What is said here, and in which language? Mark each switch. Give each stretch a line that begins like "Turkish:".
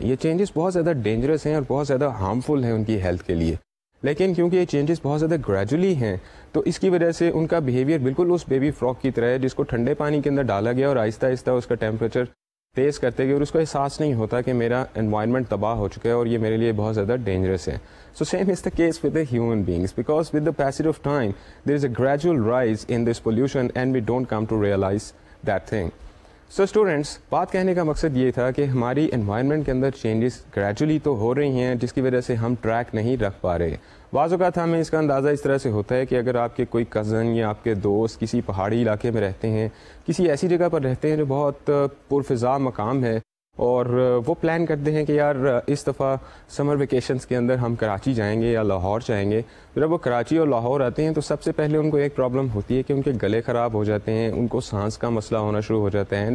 Urdu: یہ چینجز بہت زیادہ ڈینجرس ہیں اور بہت زیادہ ہارمفل ہیں ان کی ہیلتھ کے لیے, لیکن کیونکہ یہ چینجز بہت زیادہ گریجولی ہیں تو اس کی وجہ سے ان کا بیہیویئر بالکل اس بیبی فراک کی طرح ہے جس کو ٹھنڈے پانی کے اندر ڈالا گیا اور آہستہ آہستہ اس کا ٹیمپریچر تیز کرتے گئے اور اس کو احساس نہیں ہوتا کہ میرا انوائرمنٹ تباہ ہو چکا ہے اور یہ میرے لیے بہت زیادہ ڈینجرس ہے.
English: So same is the case with the human beings, because with the passage of time there is a gradual rise in this pollution and we don't come to realize that thing.
Urdu: So students, بات کہنے کا مقصد یہ تھا کہ ہماری environment کے اندر changes gradually تو ہو رہی ہیں جس کی وجہ سے ہم ٹریک نہیں رکھ پا رہے. بعض اوقات ہمیں اس کا اندازہ اس طرح سے ہوتا ہے کہ اگر آپ کے کوئی کزن یا آپ کے دوست کسی پہاڑی علاقے میں رہتے ہیں, کسی ایسی جگہ پر رہتے ہیں جو بہت پرفضا مقام ہے, اور وہ پلان کرتے ہیں کہ یار اس دفعہ سمر ویکیشنز کے اندر ہم کراچی جائیں گے یا لاہور جائیں گے, جب وہ کراچی اور لاہور آتے ہیں تو سب سے پہلے ان کو ایک پرابلم ہوتی ہے کہ ان کے گلے خراب ہو جاتے ہیں, ان کو سانس کا مسئلہ ہونا شروع ہو جاتا ہے.